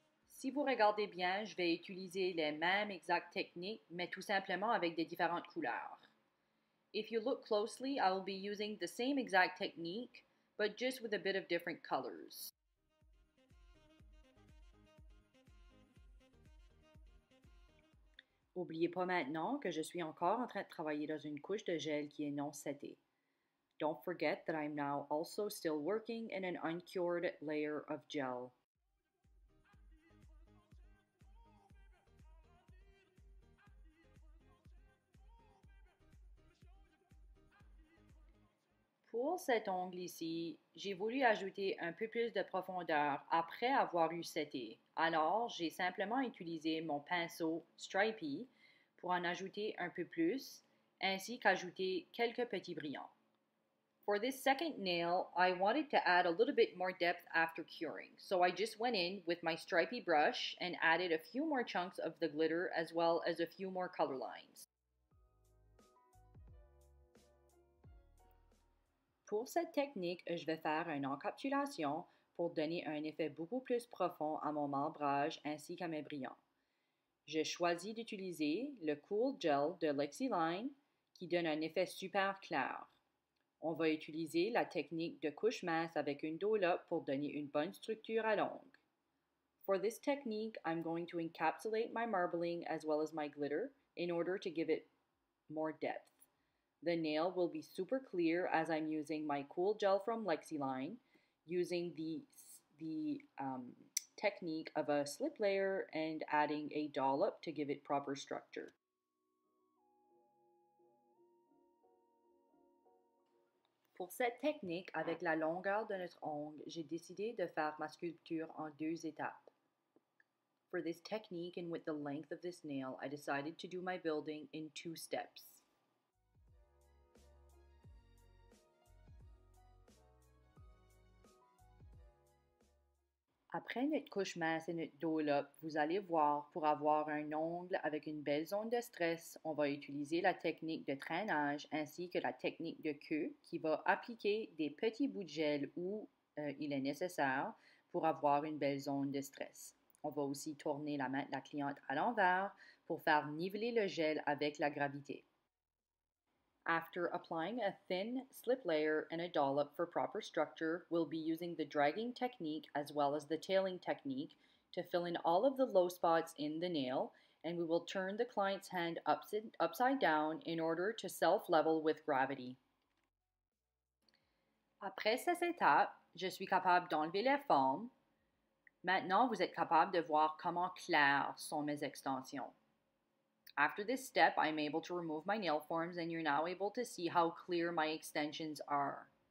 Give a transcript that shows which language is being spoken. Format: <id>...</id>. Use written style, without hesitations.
<fr>Si vous regardez bien, je vais utiliser les mêmes exactes techniques, mais tout simplement avec des différentes couleurs.</fr> <en>If you look closely, I will be using the same exact technique, but just with a bit of different colors.</en> <fr>Oubliez pas maintenant que je suis encore en train de travailler dans une couche de gel qui est non seté.</fr> <en>Don't forget that I'm now also still working in an uncured layer of gel.</en> <fr>Pour cet ongle ici, j'ai voulu ajouter un peu plus de profondeur après avoir eu seté. Alors, j'ai simplement utilisé mon pinceau Stripey pour en ajouter un peu plus, ainsi qu'ajouter quelques petits brillants.</fr> <en>For this second nail, I wanted to add a little bit more depth after curing. So I just went in with my Stripey brush and added a few more chunks of the glitter as well as a few more color lines.</en> <fr>Pour cette technique, je vais faire une encapsulation pour donner un effet beaucoup plus profond à mon marbrage ainsi qu'à mes brillants. Je choisis d'utiliser le Cool Gel de Lexiline qui donne un effet super clair. On va utiliser la technique de couche mince avec une dollope pour donner une bonne structure à l'ongle.</fr> <en>For this technique, I'm going to encapsulate my marbling as well as my glitter in order to give it more depth. The nail will be super clear as I'm using my cool gel from Lexiline, using the technique of a slip layer and adding a dollop to give it proper structure.</en> <fr>Pour cette technique, avec la longueur de notre ongle, j'ai décidé de faire ma sculpture en deux étapes.</fr> <en>For this technique and with the length of this nail, I decided to do my building in two steps.</en> <fr>Après notre couche mince et notre dollop, vous allez voir, pour avoir un ongle avec une belle zone de stress, on va utiliser la technique de traînage ainsi que la technique de queue qui va appliquer des petits bouts de gel où il est nécessaire pour avoir une belle zone de stress. On va aussi tourner la main de la cliente à l'envers pour faire niveler le gel avec la gravité.</fr> <en>After applying a thin slip layer and a dollop for proper structure, we'll be using the dragging technique as well as the tailing technique to fill in all of the low spots in the nail, and we will turn the client's hand upside down in order to self-level with gravity.</en> <fr>Après ces étapes, je suis capable d'enlever les formes. Maintenant, vous êtes capable de voir comment claires sont mes extensions.</fr> <en>After this step, I'm able to remove my nail forms and you're now able to see how clear my extensions are.</en>